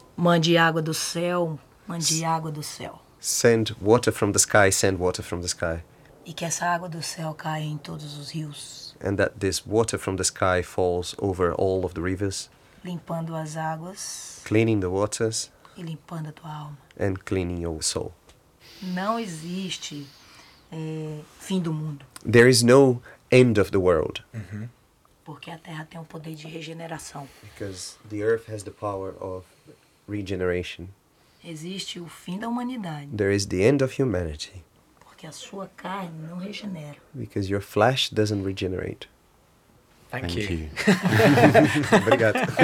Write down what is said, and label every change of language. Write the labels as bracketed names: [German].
[Portuguese] Mande água do céu, mande água do céu. [English] Send water from the sky, send water from the sky. [Portuguese] E que essa água do céu caia em todos os rios. [English] And that this water from the sky falls over all of the rivers. [Portuguese] Limpando as águas. [English] Cleaning the waters. [Portuguese] E limpando a tua alma. [English] And cleaning your soul. [Portuguese] Não existe fim do mundo. [English] There is no end of the world. Mm-hmm. [Portuguese] Porque a terra tem um poder de regeneração. [English] Because the earth has the power of regeneration. [Portuguese] Existe o fim da humanidade. [English] There is the end of humanity. [Portuguese] Que a sua carne não regenera. [English] Because your flesh doesn't regenerate. Thank you. [Portuguese] Obrigado.